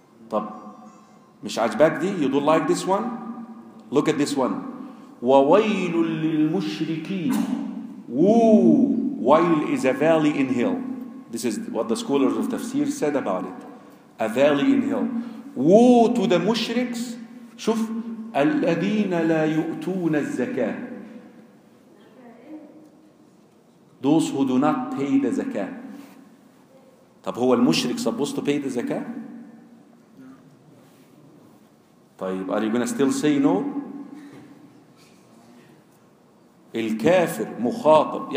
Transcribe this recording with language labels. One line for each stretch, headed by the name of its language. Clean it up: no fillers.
Arabic: طب مش عجبك دي?
English: You don't like this one? Look at this one.
Arabic: وويل للمشركين. Woo!
English: Wail is a valley in hell. This is what the scholars of tafsir said about it. A valley in hell. Woo to the mushriks.
Arabic: شوف الذين لا يؤتون الزكاة.
English: Those who do not pay the zakah.
Arabic: طب هو المشرك
English: supposed to pay the zakah? طيب are you going to still say no?
Arabic: الكافر مخاطب.